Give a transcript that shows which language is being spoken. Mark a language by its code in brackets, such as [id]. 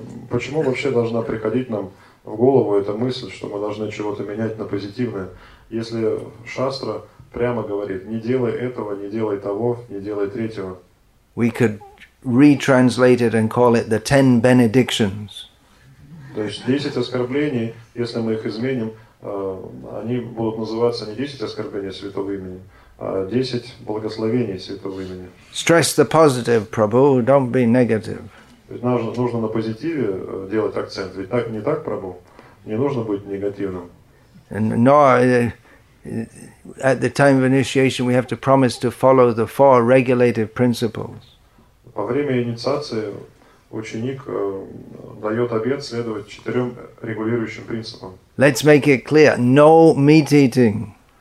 [ru] Почему вообще должна приходить нам в голову эта мысль, что мы должны чего-то менять на позитивное, если Шастра прямо говорит: не делай этого, не делай того, не делай третьего? [en] We could retranslate it and call it the 10 benedictions. [ru] То есть 10 оскорблений, если мы их изменим, они будут называться не 10 оскорблений святого имени, а 10 благословений святого имени. [en] Stress the positive, Prabhu, don't be negative. [ru] Нужно на позитиве делать акцент, ведь так не так, Прабху, не нужно быть негативным. Но [en] at the time of initiation we have to promise to follow the four regulative principles. [ru] Во время инициации ученик дает обет следовать четырем регулирующим принципам. [en] Let's make it clear: no meat eating.